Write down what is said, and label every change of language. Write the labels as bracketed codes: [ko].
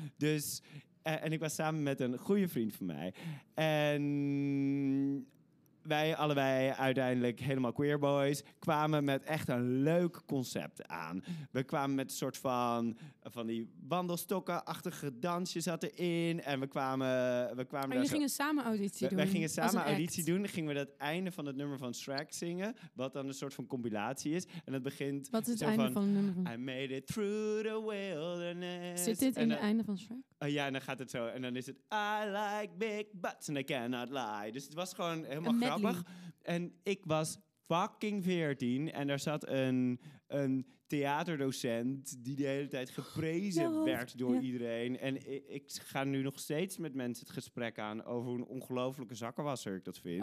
[nl] Dus, en ik was samen met een goede vriend van mij. En wij allebei, uiteindelijk helemaal queer boys, kwamen met echt een leuk concept aan. We kwamen met een soort van die wandelstokken-achtige dansjes zat erin. En we kwamen en we gingen samen auditie doen. Wij gingen samen auditie doen. Dan gingen we dat einde van het nummer van Shrek zingen. Wat dan een soort van compilatie is. En het begint... Wat is het zo einde van het nummer? [en] I made it through the wilderness. [nl] Zit dit in het einde van Shrek? Ja, en dan gaat het zo. En dan is het... [en] I like big butts and I cannot lie. [nl] Dus het was gewoon helemaal grappig. En ik was fucking 14. En daar zat een theaterdocent die de hele tijd geprezen werd door iedereen. En ik ga nu nog steeds met mensen het gesprek aan over hoe een ongelofelijke zakkenwasser ik dat vind.